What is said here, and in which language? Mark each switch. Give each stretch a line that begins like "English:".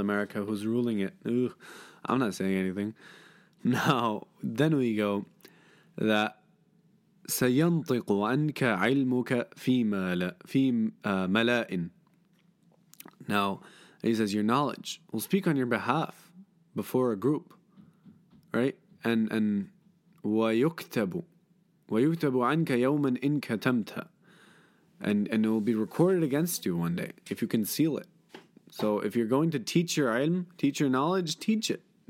English: America, who's ruling it? Ooh, I'm not saying anything. Now, then we go that
Arabic: سَيَنْطِقُ عَنْكَ عِلْمُكَ فِي مَلَاءٍ.
English: Now, he says, your knowledge will speak on your behalf before a group, right? And
Arabic: وَيُكْتَبُ عَنْكَ يَوْمًا إِن كَتَمْتَ.
English: And it will be recorded against you one day if you conceal it. So if you're going to teach your ilm, teach your knowledge, teach it.